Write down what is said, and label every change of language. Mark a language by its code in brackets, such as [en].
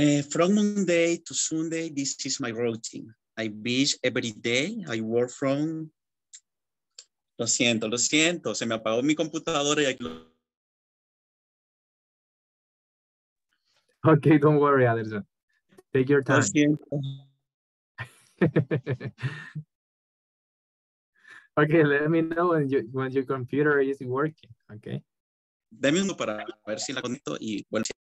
[en] From Monday to Sunday, this is my routine. I beach every day, I work from... [es] Lo siento, se me apagó mi computadora y aquí lo... [en] Okay, don't worry, Anderson. Take your time. [es] Lo siento. [en] Okay, let me know when your computer is working, okay? [es] Deme uno para ver si la conecto y vuelvo.